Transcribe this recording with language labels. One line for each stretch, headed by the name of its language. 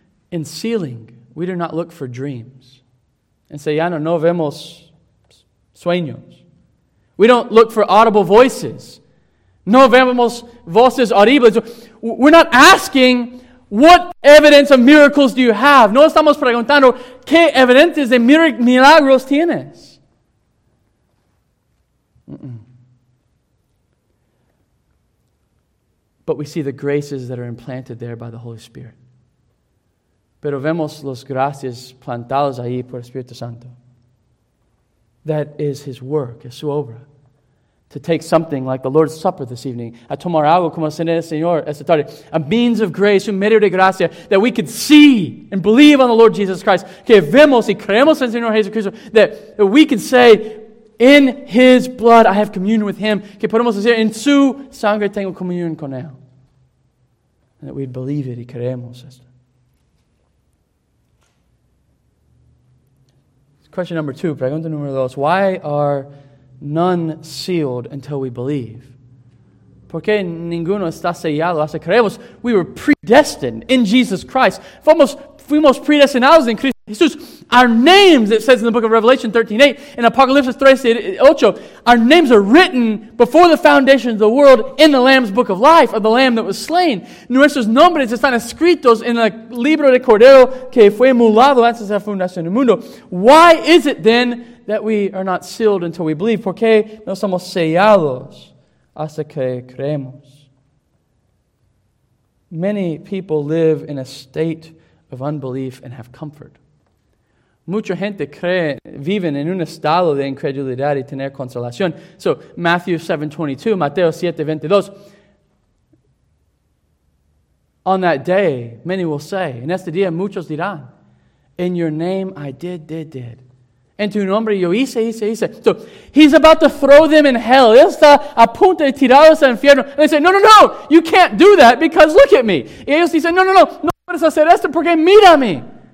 English: In sealing, we do not look for dreams. And say,
Spanish: ya no, no vemos sueños.
English: We don't look for audible voices.
Spanish: No vemos voces audibles.
English: We're not asking, what evidence of miracles do you have?
Spanish: No estamos preguntando, ¿qué evidentes de milagros tienes?
English: But we see the graces that are implanted there by the Holy Spirit.
Spanish: Pero vemos las gracias plantadas ahí por el Espíritu Santo.
English: That is his work,
Spanish: es su obra.
English: To take something like the Lord's Supper this evening,
Spanish: a tomar algo como cena del Señor esta tarde,
English: a means of grace,
Spanish: un medio de gracia,
English: that we could see and believe on the Lord Jesus Christ,
Spanish: que vemos y creemos en el Señor Jesucristo,
English: that we can say, in his blood I have communion with him,
Spanish: que podemos decir, en su sangre tengo comunión con él.
English: And that we'd believe it
Spanish: y creemos esto.
English: Question number two,
Spanish: pregunta número dos.
English: Why are none sealed until we believe?
Spanish: ¿Por qué ninguno está sellado hasta creemos?
English: We were predestined in Jesus Christ.
Spanish: Fuimos predestinados en Cristo Jesús.
English: Our names, it says in the book of Revelation 13:8, in Apocalypse 3:8, our names are written before the foundation of the world in the Lamb's book of life, of the Lamb that was slain.
Spanish: Nuestros nombres están escritos en el libro de Cordero que fue mulado antes de la fundación del mundo.
English: Why is it then that we are not sealed until we believe?
Spanish: ¿Por qué no somos sellados hasta que creemos?
English: Many people live in a state of unbelief and have comfort.
Spanish: Mucha gente cree, viven en un estado de incredulidad y tener consolación.
English: So, Matthew 7:22, Mateo 7:22. On that day, many will say,
Spanish: en este día muchos dirán,
English: in your name I did.
Spanish: En tu nombre yo hice.
English: So, he's about to throw them in hell.
Spanish: Él está a punto de tirarlos al infierno.
English: And they say, no, you can't do that because look at me.
Spanish: Y ellos dicen, no puedes hacer esto porque mírame.